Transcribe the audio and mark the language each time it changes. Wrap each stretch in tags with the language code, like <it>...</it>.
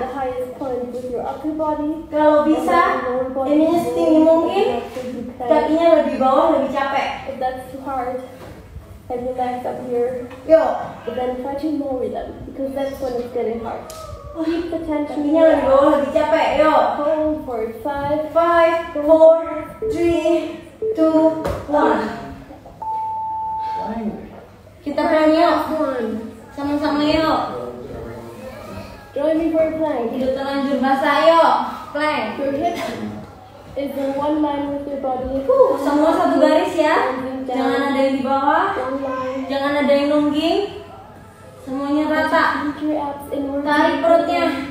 <en>The highest point with your upper body.</en> <id>Kalau bisa, ini setinggi mungkin. Kakinya lebih bawah, lebih capek.</id> <en>If that's too hard, have your legs up here. Yo. But then touch it more with them, because that's when it's getting hard. Keep the tension.</en> <id>Ini lebih bawah, lebih capek, yuk.</id> <en>Hold for 5, 5, 4, 3, 2, 1.</en> <id>Kita plank yuk. Sama-sama yuk.</id> <en>Join me for a plank.</en> <id>Hidup terlanjur basah yuk. Plank.</id> <en>Your hips is in one line with your body.</en> <id>Semua satu garis ya. Jangan ada yang di bawah. Jangan ada yang nungging. Semuanya rata. Tarik perutnya.</id>